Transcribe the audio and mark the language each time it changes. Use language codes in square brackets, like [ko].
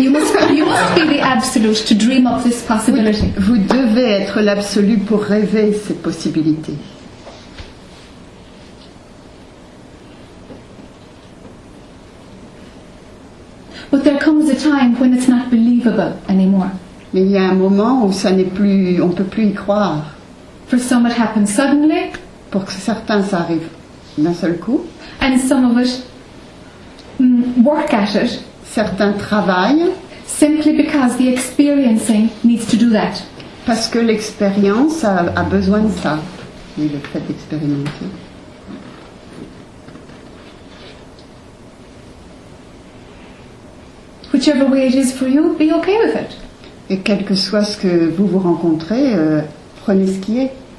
[en] You must be the absolute to dream of this possibility. [fr] Oui, vous devez être l'absolu pour rêver cette possibilité. [en] But there comes a time when it's not believable anymore. [fr] Mais il y a un moment où ça n'est plus, on peut plus y croire. [en] For some it happens suddenly. [fr] Pour que certains ça arrive d'un seul coup. [en] And some of it work at it. [fr] Certains travaillent. [en] Simply because the experiencing needs to do that. [fr] Parce que l'expérience a besoin de ça. Et le fait d'expérimenter. [en] Whichever way it is for you, be okay with it. [fr] Et quel que soit ce que vous rencontrez, prenez ce qui est.